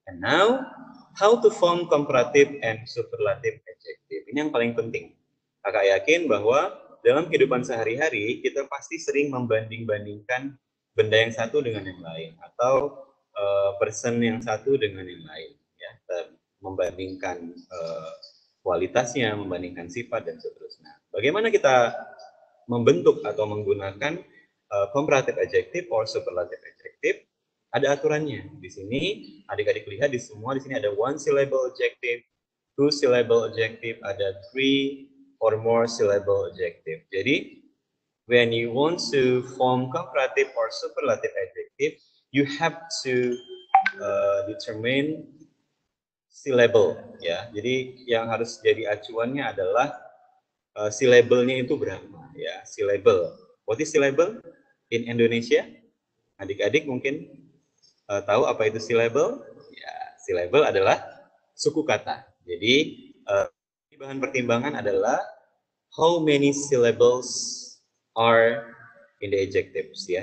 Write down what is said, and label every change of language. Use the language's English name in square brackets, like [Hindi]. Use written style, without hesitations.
[English] And now, how to form comparative and superlative adjective? [Indonesian] Ini yang paling penting. Kakak yakin bahwa dalam kehidupan sehari-hari kita pasti sering membanding-bandingkan benda yang satu dengan yang lain atau person yang satu dengan yang lain, ya, membandingkan kualitasnya, membandingkan sifat dan seterusnya. Bagaimana kita membentuk atau menggunakan comparative adjective or superlative adjective? Ada aturannya di sini. Adik-adik lihat di semua di sini ada one syllable adjective, two syllable adjective, ada three or more syllable adjective. [English] Jadi when you want to form comparative or superlative adjective, you have to determine syllable, ya. [Indonesian] Jadi yang harus jadi acuannya adalah syllable-nya itu berapa, ya. Syllable. [English] What is syllable in Indonesia? [Indonesian] Adik-adik mungkin tahu apa itu syllable? Ya, syllable adalah suku kata. Jadi bahan pertimbangan adalah [English] how many syllables are in the adjectives, [Indonesian] ya.